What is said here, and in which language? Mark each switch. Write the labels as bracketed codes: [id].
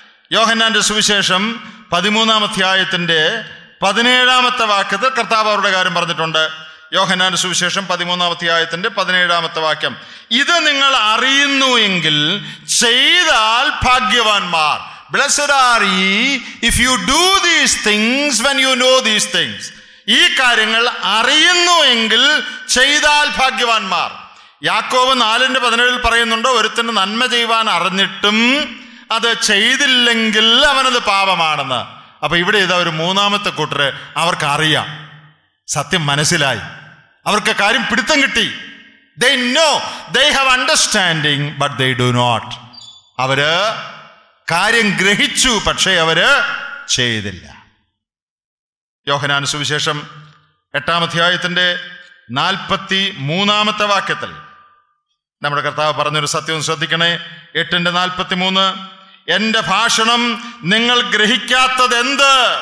[ml] യോഹന്നാന്റെ സുവിശേഷം 13:17 വാക്യത്തിൽ കർത്താവ് അവരുടെ കാര്യം പറഞ്ഞിട്ടുണ്ട്. യോഹന്നാന്റെ സുവിശേഷം 13:17 വാക്യം, ഇത് നിങ്ങൾ അറിയുന്നു എങ്കിൽ ചെയ്താൽ ഭാഗ്യവാന്മാർ. [en] Blessed are ye if you do these things when you know these things. [ml] ഈ കാര്യങ്ങൾ അറിയുന്നു എങ്കിൽ ചെയ്താൽ ഭാഗ്യവാന്മാർ. യാക്കോബ് 4:17 പറയുന്നുണ്ട്, ഒരുത്തിന് നന്മ ചെയ്യുവാൻ അറിഞ്ഞിട്ടും അത് ചെയ്തില്ലെങ്കിൽ അവനത് പാപമാണെന്ന്. അപ്പൊ ഇവിടെ ഇതാ ഒരു മൂന്നാമത്തെ കൂട്ടര്, അവർക്ക് അറിയാം, സത്യം മനസ്സിലായി, അവർക്ക് കാര്യം പിടുത്തം കിട്ടി. [en] They know, they have understanding, but they do not. [ml] അവര് കാര്യം ഗ്രഹിച്ചു, പക്ഷേ അവര് ചെയ്തില്ല. യോഹന്നാന്റെ സുവിശേഷം 8:43 വാക്യത്തിൽ നമ്മുടെ കർത്താവ് പറഞ്ഞൊരു സത്യം ശ്രദ്ധിക്കണേ. 8:43, എന്റെ ഭാഷണം നിങ്ങൾ ഗ്രഹിക്കാത്തത് എന്ത്?